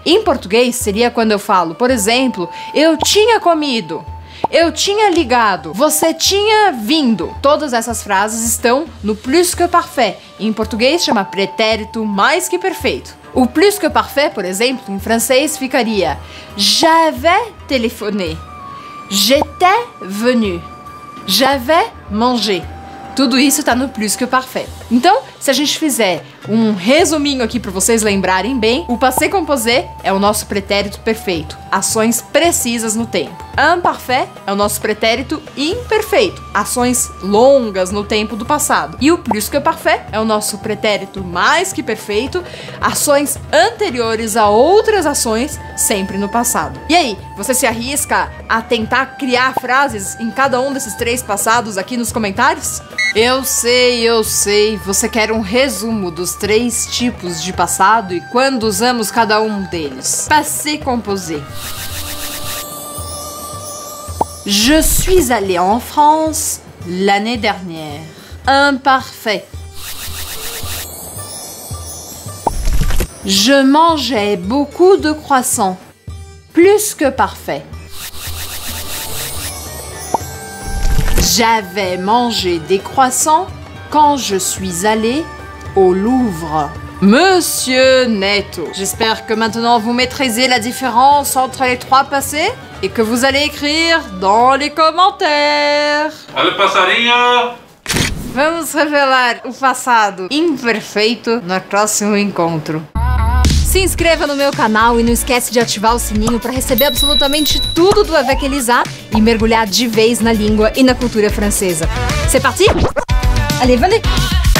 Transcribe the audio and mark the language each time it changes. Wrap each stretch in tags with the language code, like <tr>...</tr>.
<pt>Em português, seria quando eu falo, por exemplo, eu tinha comido, eu tinha ligado, você tinha vindo. Todas essas frases estão no plus que parfait. Em português chama pretérito mais que perfeito. O plus que parfait, por exemplo, em francês ficaria:</pt> <fr>j'avais téléphoné, j'étais venu, j'avais mangé.</fr> <pt>Tudo isso está no plus que parfait. Então, se a gente fizer um resuminho aqui para vocês lembrarem bem, o passé composé é o nosso pretérito perfeito, ações precisas no tempo. Imparfait é o nosso pretérito imperfeito, ações longas no tempo do passado. E o plus que parfait é o nosso pretérito mais que perfeito, ações anteriores a outras ações, sempre no passado. E aí, você se arrisca a tentar criar frases em cada um desses três passados aqui nos comentários? Eu sei, você quer um resumo dos três tipos de passado e quando usamos cada um deles.</pt> <fr>Passé composé. Je suis allé en France l'année dernière. Imparfait. Je mangeais beaucoup de croissants. Plus que parfait. J'avais mangé des croissants quand je suis allée au Louvre. Monsieur Neto, j'espère que maintenant vous maîtrisez la différence entre les trois passés et que vous allez écrire dans les commentaires. Allez,</fr> <pt>passarinho! Vamos revelar o passado imperfeito no próximo encontro. Se inscreva no meu canal e não esquece de ativar o sininho para receber absolutamente tudo do Avec Elisa e mergulhar de vez na língua e na cultura francesa.</pt> <fr>C'est parti? Allez, venez!</fr>